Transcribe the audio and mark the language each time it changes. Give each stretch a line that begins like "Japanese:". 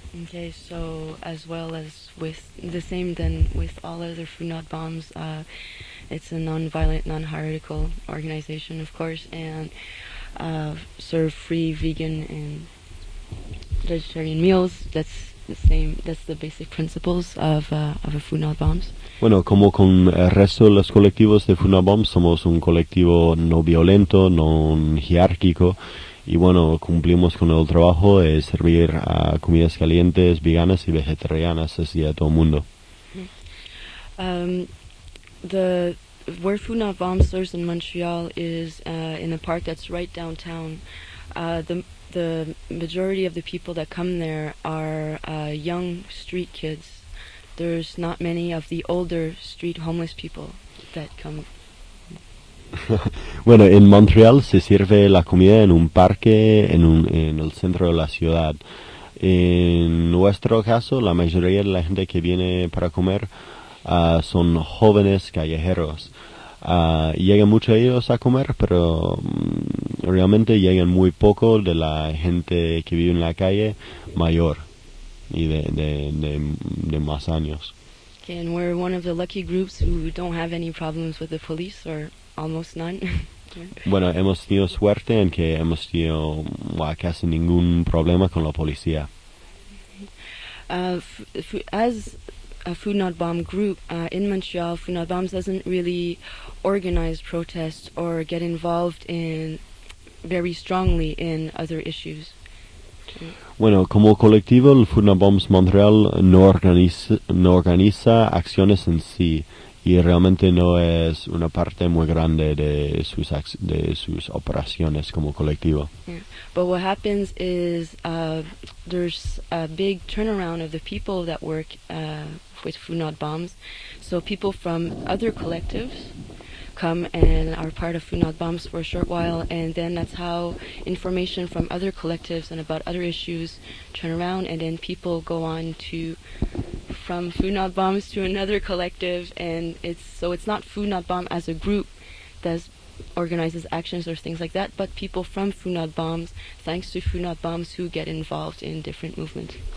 English: Okay, so as well as with the same than with all other Food Not Bombs, it's a non-violent, non-hierarchical organization, of course, and serve free vegan and vegetarian meals. That's the same. That's the basic principles of a Food Not Bombs.
Spanish: Bueno, como con el resto de los colectivos de Food Not Bombs, somos un colectivo no violento, no jerárquico, y bueno, cumplimos con el trabajo de servir comidas calientes, veganas y vegetarianas así a todo el mundo.
English: Where Food Not Bombs serves in Montreal is in a park that's right downtown. the majority of the people that come there are young street kids. There's not many of the older street homeless people that come.
Spanish: Bueno, en Montreal se sirve la comida en un parque, en el centro de la ciudad. En nuestro caso, la mayoría de la gente que viene para comer son jóvenes callejeros. Llegan muchos ellos a comer, pero realmente llegan muy poco de la gente que vive en la calle mayor y de más años.
English: Okay, and we're one of the lucky groups who don't have any problems with the police, or almost none.
Spanish: Bueno, hemos tenido suerte en que hemos tenido casi ningún problema con la policía.
English: As a Food Not Bomb group in Montreal, Food Not Bombs doesn't really organize protests or get involved in very strongly in other issues.
Spanish: Bueno, como colectivo, el Food Not Bombs Montreal no organiza acciones en sí. Y realmente no es una parte muy grande de sus operaciones como colectivo.
English: Yeah. But what happens is there's a big turnaround of the people that work with Food Not Bombs. So people from other collectives come and are part of Food Not Bombs for a short while, and then that's how information from other collectives and about other issues turn around, and then people go on to from Food Not Bombs to another collective, and it's not Food Not Bomb as a group that organizes actions or things like that, but people from Food Not Bombs, thanks to Food Not Bombs, who get involved in different movements.